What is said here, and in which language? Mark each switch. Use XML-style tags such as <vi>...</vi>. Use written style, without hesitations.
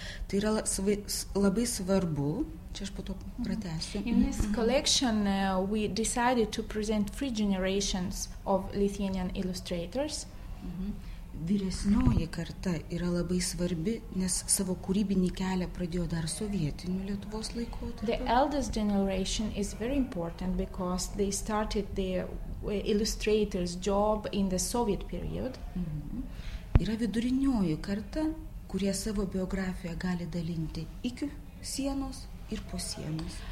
<lt>Tai yra labai svarbu. Čia aš po to pratęsiu.</lt> <en>In this collection, we decided to present three generations of Lithuanian illustrators.</en> <lt>Vyresnioji karta yra labai svarbi, nes savo kūrybinį kelią pradėjo dar sovietinių Lietuvos laikotarpiu.</lt> <en>The eldest generation is very important because they started their illustrator's job in the Soviet period.</en> <lt>Yra vidurinioji karta, kurie savo biografiją gali dalinti iki sienos ir po sienos.</lt>